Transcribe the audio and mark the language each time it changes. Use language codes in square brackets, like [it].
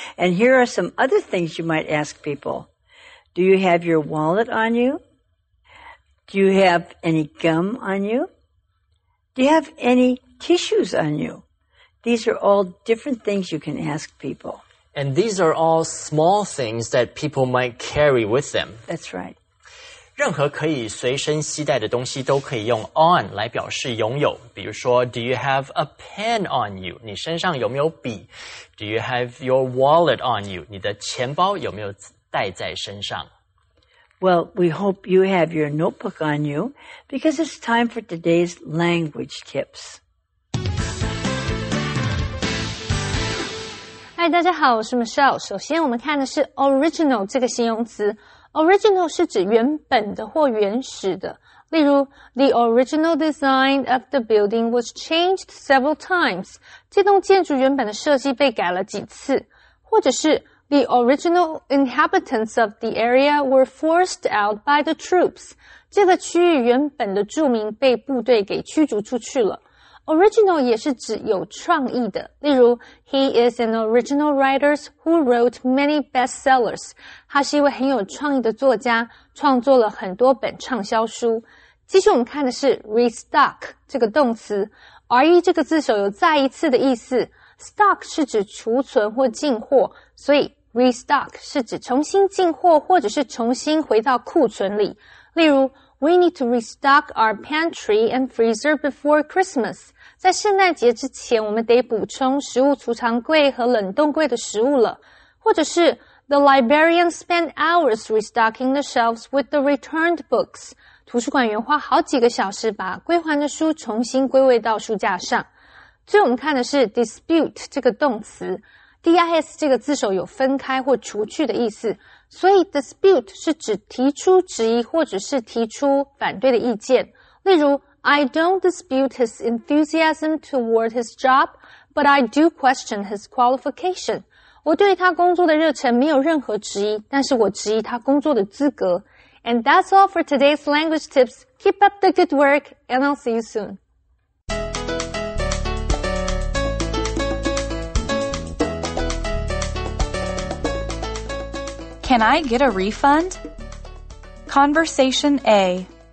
[en] And here are some other things you might ask people. Do you have your wallet on you? Do you have any gum on you? Do you have any tissues on you? These are all different things you can ask people. And these are all small things that people might carry with them. That's right. [zh] 任何可以随身携带的东西都可以用 on 来表示拥有。比如说 [en] ,do you have a pen on you? [zh] 你身上有没有笔 [en] ?do you have your wallet on you? [zh] 你的钱包有没有带在身上 [en] ?Well, we hope you have your notebook on you, because it's time for today's language tips. [zh] 嗨大家好我是 Michelle。首先我们看的是 original 这个形容词。 Original 是指原本的或原始的。例如 [en] ,the original design of the building was changed several times. [zh] 这栋建筑原本的设计被改了几次。或者是 [en] ,the original inhabitants of the area were forced out by the troops. [zh] 这个区域原本的住民被部队给驱逐出去了。 Original 也是指有创意的。例如 [en] ,he is an original writer who wrote many bestsellers. [zh] 他是一位很有创意的作家，创作了很多本畅销书。继续我们看的是 restock 这个动词 ，re 这个字首有再一次的意思 ，stock 是指储存或进货，所以 restock 是指重新进货或者是重新回到库存里。例如 [en] ，We need to restock our pantry and freezer before Christmas。 [zh] 在圣诞节之前，我们得补充食物储藏柜和冷冻柜的食物了，或者是。 [en] The librarian spent hours restocking the shelves with the returned books. [zh] 图书馆员花好几个小时把归还的书重新归位到书架上。最后我们看的是 dispute 这个动词。dis 这个字首有分开或除去的意思。所以 dispute 是指提出质疑或者是提出反对的意见。例如 [en] I don't dispute his enthusiasm toward his job, but I do question his qualification. [zh] 我对他工作的热忱没有任何质疑，但是我质疑他工作的资格。 [en] And that's all for today's language tips. Keep up the good work, and I'll see you soon. Can I get a refund? Conversation A.